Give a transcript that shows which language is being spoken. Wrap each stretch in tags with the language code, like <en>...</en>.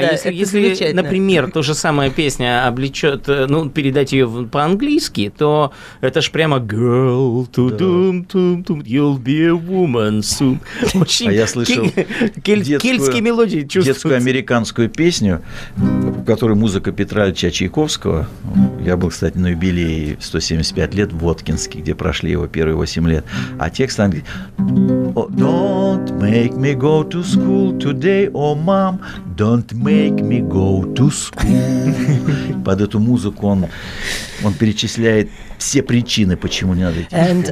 <ru>если например, ту же самую песню облечет, ну, передать ее по-английски, то это ж прямо «Girl, ту-дум-тум-тум,</ru> <en>you'll be a woman soon».</en> <ru>Очень... А я слышал кельтские мелодии чувствуются. Детскую американскую песню в которой музыка Петра Ильича Чайковского. Я был, кстати, на юбилее 175 лет в Воткинске, где прошли его первые 8 лет. А текст английский.</ru> <en>Don't make me go to school today, oh mom. Don't make me go to school.</en> <ru>Под эту музыку он перечисляет все причины, почему не надо идти в школу.</ru>